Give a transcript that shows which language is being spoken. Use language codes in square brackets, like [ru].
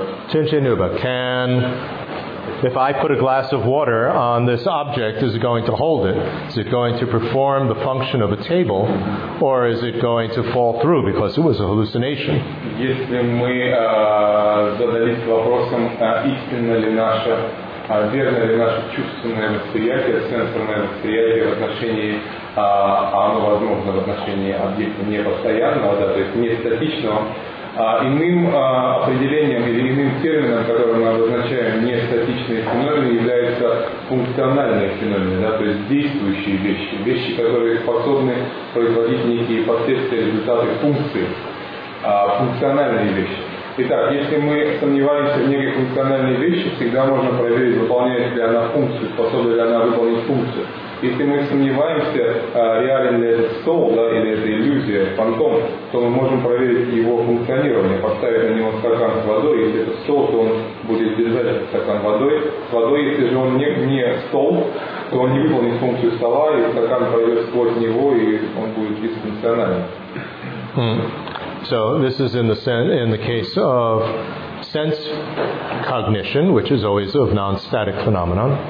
[en] Can, if I put a glass of water on this object, is it going to hold it? Is it going to perform the function of a table, or is it going to fall through because it was a hallucination? [ru] Если мы задались вопросом, истинно ли наше, верно ли наше чувственное восприятие, сенсорное восприятие в отношении оно возможно в отношении объекта непостоянного, да, то есть нестатичного. Иным определением или иным термином, который мы обозначаем нестатичные феномены, являются функциональные феномены, да, то есть действующие вещи, вещи, которые способны производить некие последствия, результаты, функции, функциональные вещи. Итак, если мы сомневаемся в некой функциональной вещи, всегда можно проверить, выполняет ли она функцию, способна ли она выполнить функцию. Если мы сомневаемся, реален ли этот стол, да, или это иллюзия, фантом, то мы можем проверить его функционирование, поставить на него стакан с водой. Если это стол, то он будет держать стакан водой. С водой, если же он не стол, то он не выполнит функцию стола, и стакан пройдет сквозь него, и он будет дисфункциональным. [en] So this is in the case of sense cognition, which is always of non-static phenomenon.